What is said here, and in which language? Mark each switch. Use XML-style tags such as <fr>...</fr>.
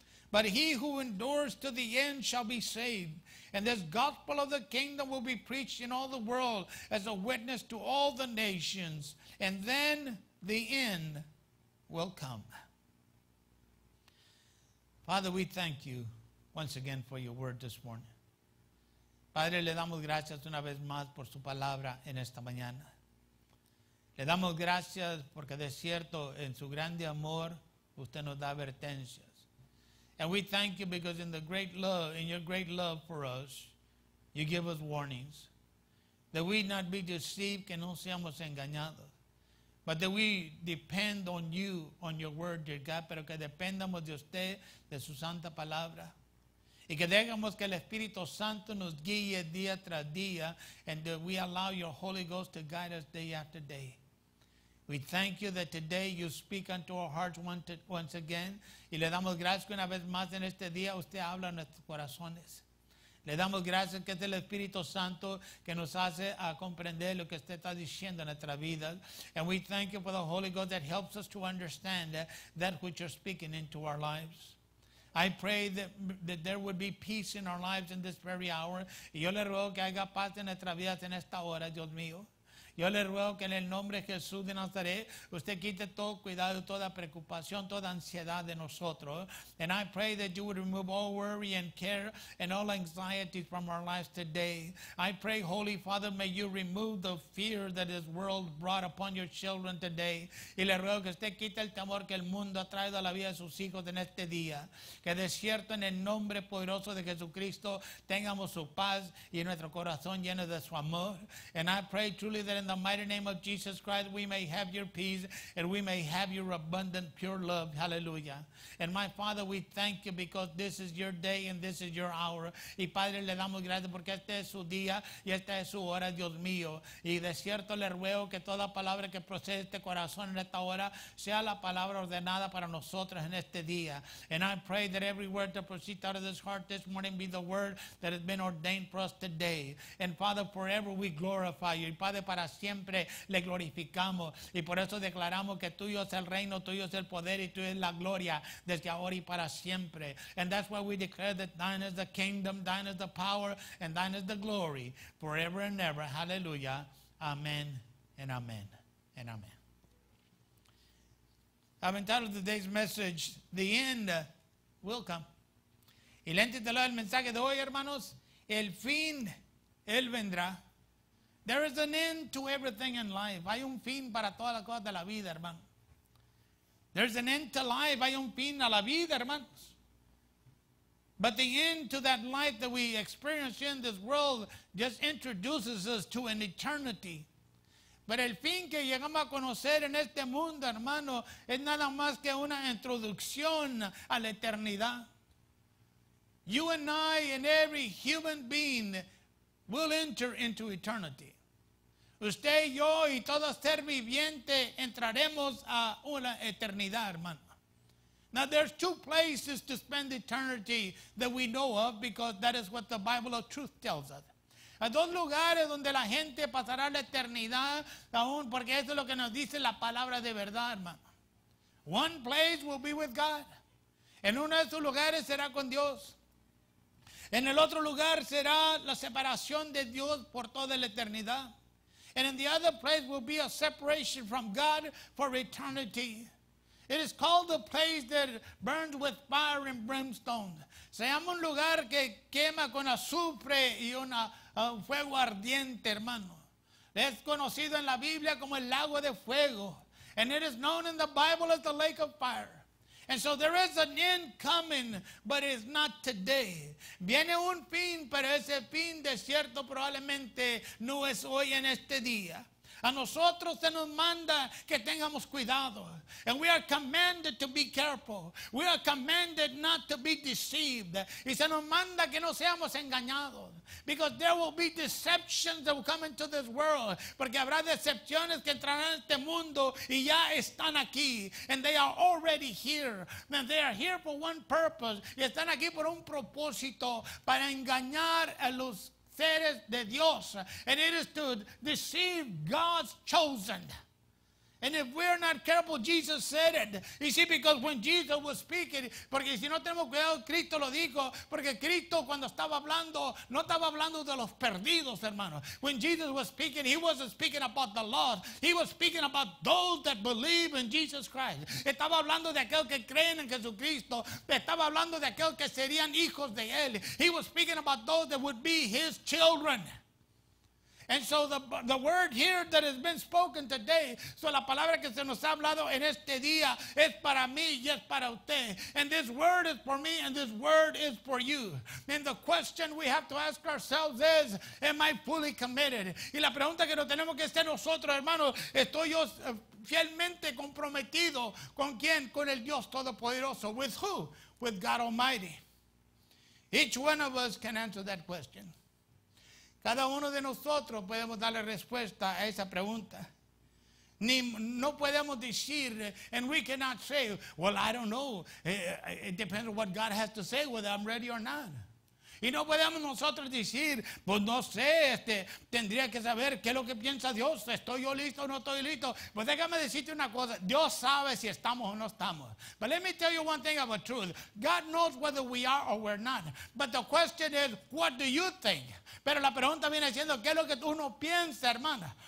<en>But he who endures to the end shall be saved. And this gospel of the kingdom will be preached in all the world as a witness to all the nations. And then the end will come. Father, we thank you once again for your word this morning.</en> <es>Padre, le damos gracias una vez más por su palabra en esta mañana. Le damos gracias porque de cierto en su grande amor usted nos da advertencias.</es> <en>And we thank you because in your great love for us, you give us warnings. That we not be deceived,</en> <es>que no seamos engañados.</es> <en>But that we depend on you, on your word, dear God,</en> <es>pero que dependamos de usted, de su santa palabra. Y que dejemos que el Espíritu Santo nos guíe día tras día,</es> <en>and that we allow your Holy Ghost to guide us day after day. We thank you that today you speak unto our hearts once again.</en> <es>Y le damos gracias que una vez más en este día usted habla a nuestros corazones. Le damos gracias que es el Espíritu Santo que nos hace a comprender lo que usted está diciendo en nuestra vida.</es> <en>And we thank you for the Holy Ghost that helps us to understand that which you're speaking into our lives. I pray that there would be peace in our lives in this very hour.</en> <es>Y yo le ruego que haya paz en nuestra vida en esta hora, Dios mío. Yo le ruego que en el nombre de Jesús de Nazaret, usted quite todo cuidado, toda preocupación, toda ansiedad de nosotros.</es> <en>And I pray that you would remove all worry and care and all anxiety from our lives today. I pray, Holy Father, may you remove the fear that this world brought upon your children today.</en> <es>Y le ruego que usted quite el temor que el mundo ha traído a la vida de sus hijos en este día. Que de cierto en el nombre poderoso de Jesucristo tengamos su paz y nuestro corazón lleno de su amor.</es> <en>And I pray truly that in the mighty name of Jesus Christ, we may have your peace and we may have your abundant, pure love. Hallelujah. And my Father, we thank you because this is your day and this is your hour.</en> <es>Y Padre, le damos gracias porque este es su día y esta es su hora, Dios mío. Y de cierto le ruego que toda palabra que procede de este corazón en esta hora sea la palabra ordenada para nosotros en este día.</es> <en>And I pray that every word that proceeds out of this heart this morning be the word that has been ordained for us today. And Father, forever we glorify you.</en> <es>Y Padre, para siempre le glorificamos. Y por eso declaramos que tuyo es el reino, tuyo es el poder y tuyo es la gloria desde ahora y para siempre.</es> <en>And that's why we declare that thine is the kingdom, thine is the power, and thine is the glory forever and ever. Hallelujah. Amen and amen and amen. I've entitled today's message, The End Will Come.</en> <es>Y le he titulado el mensaje de hoy, hermanos, El Fin, Él Vendrá.</es> <en>There is an end to everything in life.</en> <es>Hay un fin para todas las cosas de la vida, hermano.</es> <en>There's an end to life.</en> <es>Hay un fin a la vida, hermanos.</es> <en>But the end to that life that we experience in this world just introduces us to an eternity.</en> <es>Pero el fin que llegamos a conocer en este mundo, hermano, es nada más que una introducción a la eternidad.</es> <en>You and I and every human being will enter into eternity.</en> <es>Usted, yo y todo ser viviente entraremos a una eternidad, hermano.</es> <en>Now there's two places to spend eternity that we know of, because that is what the Bible of Truth tells us.</en> <es>A dos lugares donde la gente pasará la eternidad aún, porque eso es lo que nos dice la palabra de verdad, hermano.</es> <en>One place will be with God.</en> <es>En uno de esos lugares será con Dios. En el otro lugar será la separación de Dios por toda la eternidad.</es> <en>And in the other place will be a separation from God for eternity. It is called the place that burns with fire and brimstone.</en> <es>Se llama un lugar que quema con azufre y una fuego ardiente, hermano. Es conocido en la Biblia como el lago de fuego.</es> <en>And it is known in the Bible as the lake of fire. And so there is an end coming, but it's not today.</en> <es>Viene un fin, pero ese fin de cierto probablemente no es hoy en este día. A nosotros se nos manda que tengamos cuidado.</es> <en>And we are commanded to be careful. We are commanded not to be deceived.</en> <es>Y se nos manda que no seamos engañados.</es> <en>Because there will be deceptions that will come into this world.</en> <es>Porque habrá decepciones que entrarán en este mundo y ya están aquí.</es> <en>And they are already here. And they are here for one purpose.</en> <es>Y están aquí por un propósito, para engañar a los seres de Dios.</es> <en>And it is to deceive God's chosen. And if we are not careful, Jesus said it. You see, because when Jesus was speaking,</en> <es>porque si no tenemos cuidado, Cristo lo dijo, porque Cristo cuando estaba hablando, no estaba hablando de los perdidos, hermano.</es> <en>When Jesus was speaking, he wasn't speaking about the lost. He was speaking about those that believe in Jesus Christ.</en> <es>Estaba hablando de aquel que creen en Jesucristo. Estaba hablando de aquel que serían hijos de él.</es> <en>He was speaking about those that would be his children. And so the word here that has been spoken today, so</en> <es>la palabra que se nos ha hablado en este día es para mí y es para usted.</es> <en>And this word is for me and this word is for you. And the question we have to ask ourselves is, am I fully committed?</en> <es>Y la pregunta que nos tenemos que hacer nosotros, hermanos, ¿estoy yo fielmente comprometido con quién? Con el Dios Todopoderoso.</es> <en>With who? With God Almighty. Each one of us can answer that question.</en> <es>Cada uno de nosotros podemos darle respuesta a esa pregunta. Ni, no podemos decir,</es> <en>and we cannot say, well, I don't know. It depends on what God has to say, whether I'm ready or not.</en> <es>Y no podemos nosotros decir, pues no sé, tendría que saber qué es lo que piensa Dios, estoy yo listo o no estoy listo. Pues déjame decirte una cosa, Dios sabe si estamos o no estamos.</es> <en>But let me tell you one thing about truth. God knows whether we are or we're not. But the question is, what do you think?</en> <es>Pero la pregunta viene siendo, ¿qué es lo que uno piensa, hermana?</es>